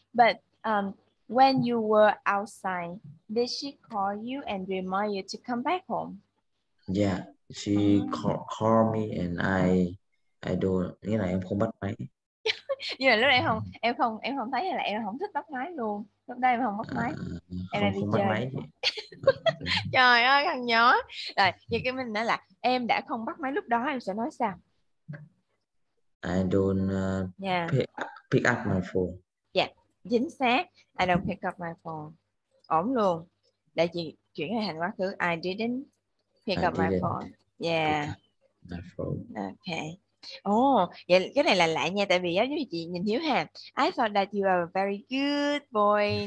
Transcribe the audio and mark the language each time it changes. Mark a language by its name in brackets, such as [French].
[English] But when you were outside, did she call you and remind you to come back home? Yeah, she call me and I don't, [Vietnamese] nghĩa là em không bắt máy. Nhưng mà lúc đấy em không thấy là em không thích bắt máy luôn. Lúc đây em không bắt máy. Em đi không chơi. Bắt máy. Trời ơi, thằng nhỏ. Rồi, vậy cái mình nói là em đã không bắt máy lúc đó, em sẽ nói sao? [English] I don't pick up my phone. [Vietnamese] Chính xác. [English] I don't pick up my phone. [Vietnamese] Ổn luôn. Để chị chuyển thành quá khứ. [English] I didn't pick up my phone. Yeah. Okay. [Vietnamese] Vậy cái này là lạ nha. Tại vì giống như chị nhìn Hiếu hà. [English] I thought that you are a very good boy.